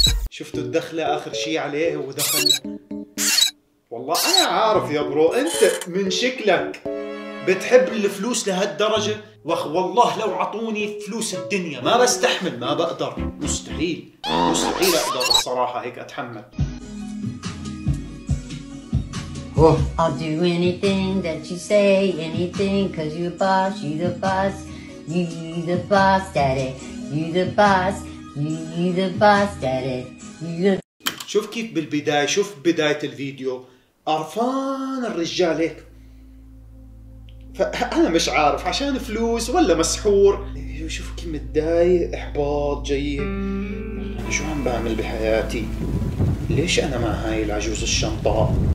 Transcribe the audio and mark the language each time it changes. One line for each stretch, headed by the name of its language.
Arabic: شفتوا الدخلة آخر شي عليه ودخل؟ والله أنا عارف يا برو، أنت من شكلك بتحب الفلوس لهالدرجة، واخ والله لو عطوني فلوس الدنيا ما بستحمل، ما بقدر، مستحيل مستحيل أقدر الصراحة هيك أتحمل.
English: I'll do anything that you say, anything cause you're boss, you the boss, you the boss daddy, you the boss, you the boss daddy.
Arabic: شوف كيف بالبداية، شوف بداية الفيديو قرفان الرجال هيك، فأنا مش عارف عشان فلوس ولا مسحور، فيه وشوف كم الداي إحباط جاي. شو عم بعمل بحياتي؟ ليش أنا مع هاي العجوز الشنطة؟